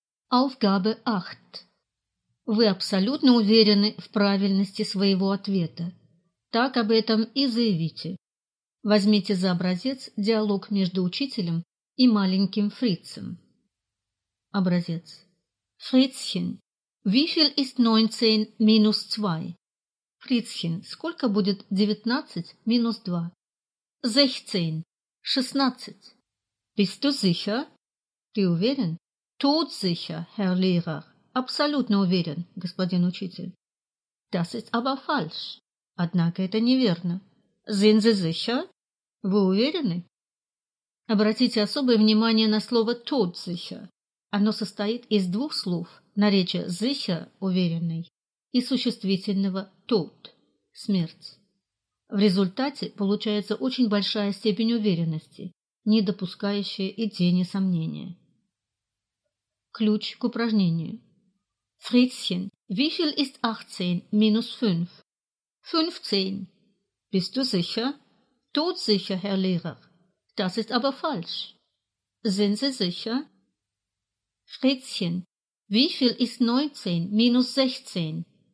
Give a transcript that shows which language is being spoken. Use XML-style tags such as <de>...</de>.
<de>Aufgabe 8.</de> <ru>Вы абсолютно уверены в правильности своего ответа. Так об этом и заявите. Возьмите за образец диалог между учителем и маленьким Фрицем. Образец.</ru> <de>Фрицхен, wie viel ist 19 minus 2?</de> <ru>Фрицхен, сколько будет 19 минус 2?</ru> <de>16.</de> <ru>16.</ru> <de>Bist du sicher?</de> <ru>Ты уверен?</ru> <de>Tot sicher, Herr Lehrer.</de> <ru>Абсолютно уверен, господин учитель.</ru> <de>Das ist aber falsch.</de> <ru>Однако это неверно.</ru> <de>Sind Sie sicher?</de> <ru>Вы уверены? Обратите особое внимание на слово tot sicher. Оно состоит из двух слов, наречия sicher, уверенный, и существительного tot, смерть. В результате получается очень большая степень уверенности, не допускающая и тени сомнения. Ключ к упражнению.</ru> <de>Фрицхен, wie viel ist 18 minus 5? 15. Bist du sicher? Tot sicher, Herr Lehrer. Das ist aber falsch. Sind Sie sicher? Фрицхен, wie viel ist 19 minus 16?</de>